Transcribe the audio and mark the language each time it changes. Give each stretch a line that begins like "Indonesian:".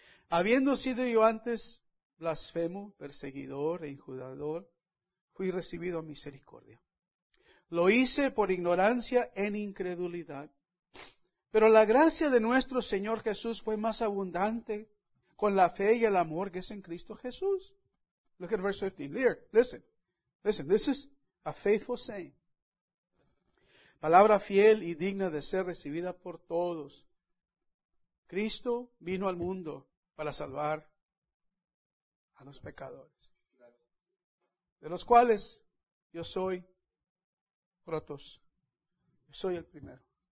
Spanish: Habiendo sido yo antes blasfemo, perseguidor e injuriador, fui recibido a misericordia. Lo hice por ignorancia en incredulidad. Pero la gracia de nuestro Señor Jesús fue más abundante con la fe y el amor que es en Cristo Jesús.
English: Look at verse 13. Here, listen. Listen, this is a faithful saying.
Spanish: Palabra fiel y digna de ser recibida por todos. Cristo vino al mundo para salvar a los pecadores. De los cuales yo soy protos. Yo soy el primero.